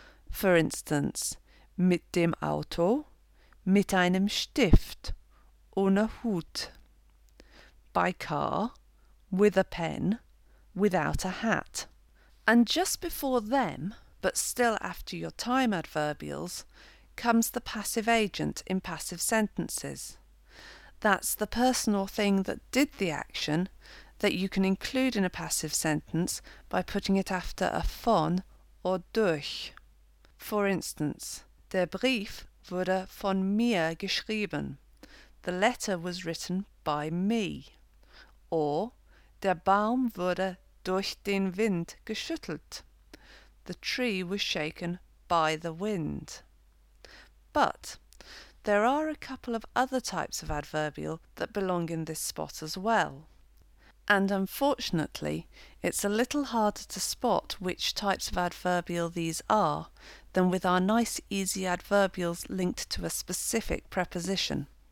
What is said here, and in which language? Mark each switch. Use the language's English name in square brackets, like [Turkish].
[English] For instance, [German] mit dem Auto, mit einem Stift, ohne Hut. [English] By car, with a pen, without a hat. And just before them, but still after your time adverbials, comes the passive agent in passive sentences. That's the person or thing that did the action that you can include in a passive sentence by putting it after a von or durch. For instance, [German] der Brief wurde von mir geschrieben. [English] The letter was written by me. Or, [German] der Baum wurde durch den Wind geschüttelt. [English] The tree was shaken by the wind. But there are a couple of other types of adverbial that belong in this spot as well. And unfortunately, it's a little harder to spot which types of adverbial these are than with our nice easy adverbials linked to a specific preposition.